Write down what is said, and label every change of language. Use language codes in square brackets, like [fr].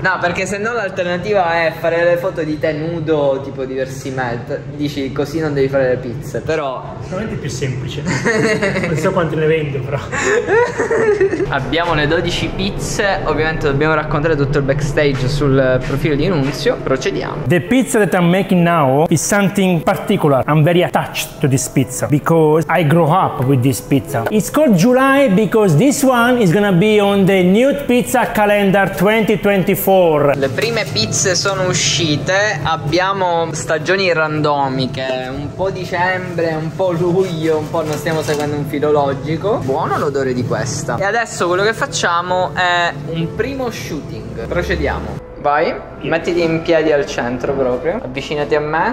[it] No, perché se no l'alternativa è fare le foto di te nudo, tipo diversi met. Dici, così non devi fare le pizze, però... Sicuramente è più semplice. Non so quante ne vendo, però. Abbiamo le 12 pizze. Ovviamente dobbiamo raccontare tutto il backstage sul profilo di Nunzio. Procediamo. [en] The pizza that I'm making now is something particular. I'm very attached to this pizza because I grew up with this pizza. It's called July because this one is gonna be on the new pizza calendar 2024. [it] Le prime pizze sono uscite. Abbiamo stagioni randomiche, un po' dicembre, un po' luglio, un po' non stiamo seguendo un filo logico. Buono l'odore di questa. E adesso quello che facciamo è un primo shooting. Procediamo. Vai, mettiti in piedi al centro proprio. Avvicinati a me.